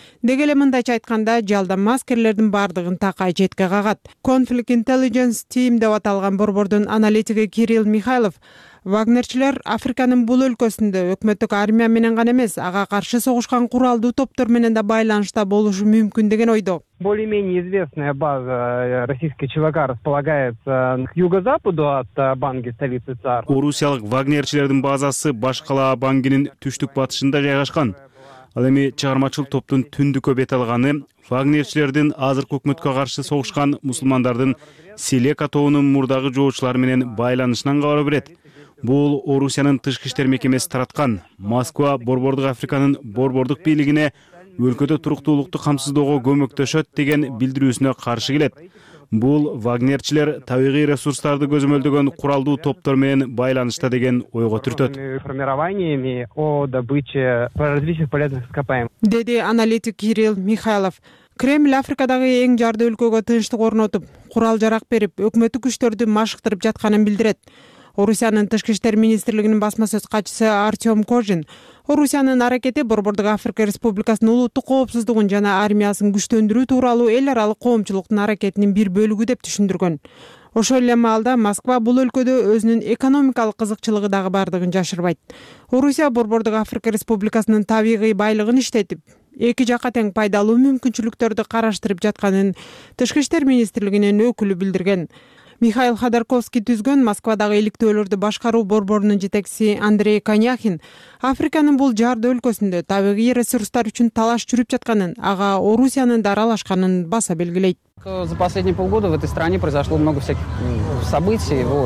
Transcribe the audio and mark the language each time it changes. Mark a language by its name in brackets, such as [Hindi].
[Kyrgyz] Деги эле мындайча айтканда жалданма аскерлердин бардыгын такай четке кагат. Conflict Intelligence Team деп аталган борбордун аналитиги Кирилл Михайлов Вагнерчилер Африканын бул өлкөсүндө өкмөттүк армия менен гана эмес, ага каршы согушкан куралдуу топтор менен да байланышта болушу мүмкүн деген ойдо. [Russian] Более-менее известная база российской ЧВК располагается к юго-западу от Банги, столицы ЦАР. [Kyrgyz] Орусиялык Вагнерчилердин базасы баш калаа Бангинин түштүк батышында жайгашкан. Ал эми чыгармачыл топтун түндүккө бет алганы Вагнерчилердин азыркы өкмөткө каршы согушкан мусулмандардын Силека тобунун мурдагы жоочулары менен байланышынан кабары берет. Бул Орусиянын тышкы иштер мекемеси тараткан. Москва борбордук Африканын борбордук бийлигине өлкөдө туруктуулукту камсыздоого көмөктөшөт деген билдирүүсүнө каршы келет. Бул Вагнерчилер табигый ресурстарды көзөмөлдөгөн куралдуу топтор менен байланышта деген ойго түртөт. [Russian] Формированиями о добыче различных полезных ископаемых. [Kyrgyz] Деди аналитик Кирилл Михайлов. Кремль Африкадагы эң жарды өлкөгө тынчтык орнотуп, курал жарак берип, өкмөттүк күчтөрдү машыктырып жатканын билдирет. Орусиянын тышкы иштер министрлигинин басма сөз катчысы Артем Кожин Орусиянын аракети борбордук Африка Республикасынын улуттук коопсуздугун жана армиясын күчтөндүрүү тууралуу эл аралык коомчулуктун аракетинин бир бөлүгү деп түшүндүргөн. Ошол эле маалда Москва бул өлкөдө өзүнүн экономикалык кызыкчылыгы дагы бардыгын жашырбайт. Орусия борбордук Африка Республикасынын табигый байлыгын иштетип, эки жака тең пайдалуу мүмкүнчүлүктөрдү караштырып жатканын Тышкы иштер министрлигинин өкүлү билдирген. Михаил Ходорковский түзгөн Москвадагы иликтөөлөрдү башкаруу борборунун жетекчиси Андрей Коняхин Африканын бул жарды өлкөсүндө табигый ресурстар үчүн талаш жүрүп жатканын, ага Орусиянын да аралашканын баса белгилейт. [Russian] За последние полгода в этой стране произошло много всяких событий,